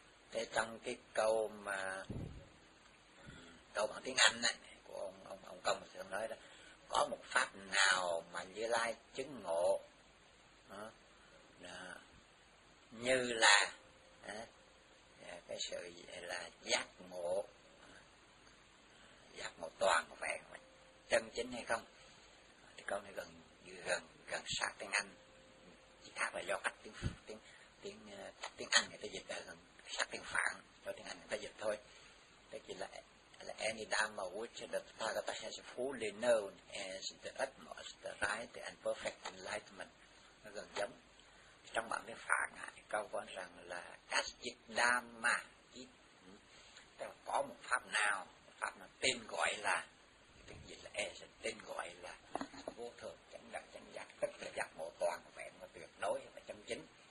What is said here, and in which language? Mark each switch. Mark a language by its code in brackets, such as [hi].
[vi] Thế trong cái câu bằng tiếng Anh này của ông Công thì ông nói đó: có một pháp nào mà Như Lai chứng ngộ như là cái sự là giác ngộ toàn vẹn chân chính hay không? Thì câu này gần sát tiếng Anh, chỉ khác là do cách tiếng Anh người ta dịch là gần sát tiếng Phạn do tiếng Anh người ta dịch thôi. [en] Tức là any dharma which the Tathagata has fully known as the utmost, the right and perfect enlightenment. [vi] Nó gần giống. Trong bản tiếng Phạn thì câu có rằng là kasjit dharma, có một pháp nào, tên gọi là, tiếng Việt là tên gọi là vô thường, chẳng đặt chẳng giác, tức là giác ngộ toàn vẹn và tuyệt đối và chân chính.